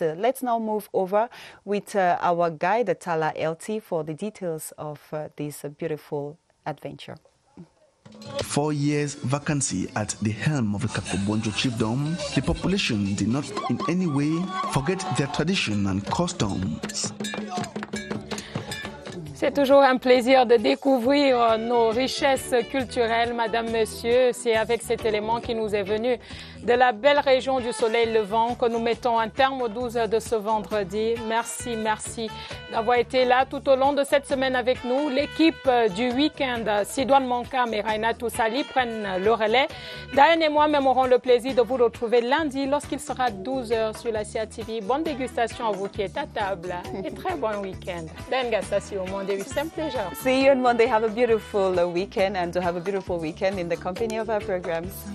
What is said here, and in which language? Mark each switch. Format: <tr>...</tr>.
<en>Let's now move over with our guide, Tala Elti, for the details of this beautiful adventure. 4 years vacancy at the helm of the Kakobonjo chiefdom, the population did not in any way forget their tradition and customs.</en> <fr>C'est toujours un plaisir de découvrir nos richesses culturelles, madame, monsieur. C'est avec cet élément qui nous est venu de la belle région du soleil levant que nous mettons un terme aux 12 heures de ce vendredi. Merci, merci d'avoir été là tout au long de cette semaine avec nous. L'équipe du week-end, Sidoine Mankam et Raina Toussali, prennent le relais. Diane et moi-même aurons le plaisir de vous retrouver lundi lorsqu'il sera 12 heures sur la CIA TV. Bonne dégustation à vous qui êtes à table et très bon week-end.</fr> <en>Diane Gassassio. Monday with same pleasure. See you on Monday. Have a beautiful weekend and have a beautiful weekend in the company of our programs.</en>